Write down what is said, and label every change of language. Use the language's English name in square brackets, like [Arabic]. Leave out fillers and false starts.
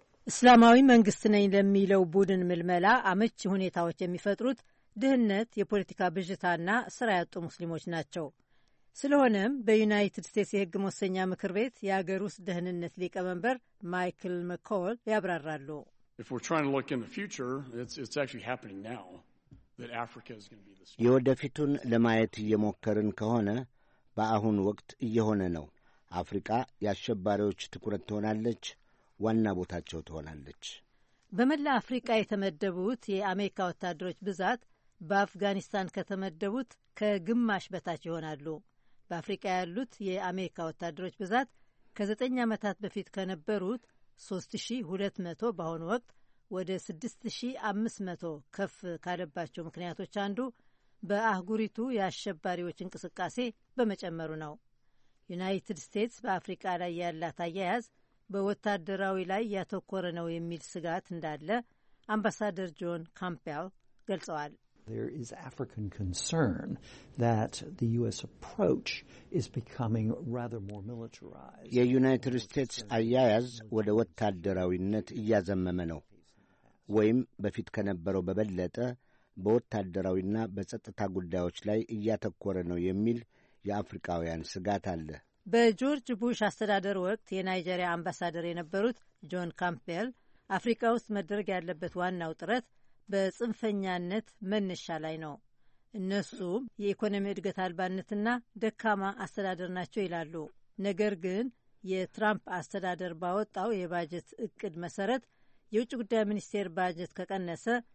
[Amharic] እስላማዊ መንግስት ነኝ ለሚለው ቡድን ምልመላ አመች ሁኔታዎች የሚፈጥሩት ድህነት፣ የፖለቲካ ብዥታና ስራ ያጡ ሙስሊሞች ናቸው። ስለሆነም በዩናይትድ ስቴትስ የህግ መወሰኛ ምክር ቤት የአገር ውስጥ ደህንነት ሊቀመንበር ማይክል መኮል ያብራራሉ። [English] If we're trying to look in the future, it's actually happening now that Africa is going to be the spot. [Amharic] የወደፊቱን ለማየት የሞከርን ከሆነ በአሁን ወቅት እየሆነ ነው። አፍሪካ ያሸባሪዎች ትኩረት ትሆናለች፣ ዋና ቦታቸው ትሆናለች። በመላ አፍሪካ የተመደቡት የአሜሪካ ወታደሮች ብዛት በአፍጋኒስታን ከተመደቡት ከግማሽ በታች ይሆናሉ። በአፍሪካ ያሉት የአሜሪካ ወታደሮች ብዛት ከ9 አመታት በፊት ከነበሩት 3200 በአሁን ወቅት ወደ 6500 ከፍ ካለባቸው ምክንያቶች አንዱ በአህጉሪቱ ያሸባሪዎች እንቅስቃሴ በመጨመሩ ነው። ዩናይትድ ስቴትስ በአፍሪካ ላይ ያላት አያያዝ በወታደራዊ ላይ ያተኮረ ነው የሚል ስጋት እንዳለ አምባሳደር ጆን ካምፔል ገልጸዋል። [English] There is African concern that the US approach is becoming rather more militarized. [Amharic] የዩናይትድ ስቴትስ አያያዝ ወደ ወታደራዊነት እያዘመመ ነው ወይም በፊት ከነበረው በበለጠ በወታደራዊና በጸጥታ ጉዳዮች ላይ እያተኮረ ነው የሚል የአፍሪካውያን ስጋት አለ። በጆርጅ ቡሽ አስተዳደር ወቅት የናይጄሪያ አምባሳደር የነበሩት ጆን ካምፔል አፍሪካ ውስጥ መደረግ ያለበት ዋናው ጥረት በጽንፈኛነት መንሻ ላይ ነው። እነሱም የኢኮኖሚ እድገት አልባነትና ደካማ አስተዳደር ናቸው ይላሉ። ነገር ግን የትራምፕ አስተዳደር ባወጣው የባጀት እቅድ መሰረት የውጭ ጉዳይ ሚኒስቴር ባጀት ከቀነሰ